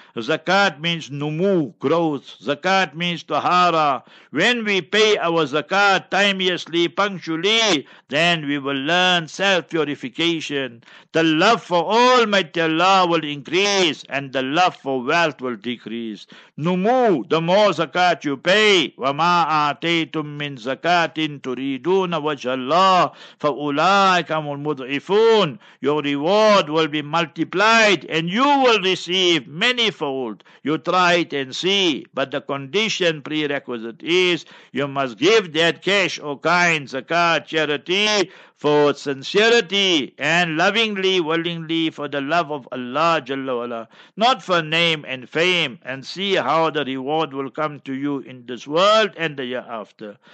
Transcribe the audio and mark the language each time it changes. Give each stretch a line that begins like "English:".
English: Zakat means numu, growth. Zakat means tahara. When we pay our zakat timeously, punctually, then we will learn self-purification. The love for Almighty Allah will increase, and the love for wealth will decrease. Numu, the more zakat you pay,
Arabic: وَمَا أَعْتَيْتُمْ مِنْ زَكَاتٍ تُرِيدُونَ وَجْهَ اللَّهِ فَأُولَٰئِكَمُ الْمُضْعِفُونَ.
English: Your reward will be multiplied, and you will receive many for. You try it and see, but the condition, prerequisite, is you must give that cash or kind, zakat, charity, for sincerity and lovingly, willingly for the love of Allah Jalla Wala, not for name and fame, and see how the reward will come to you in this world and the year after.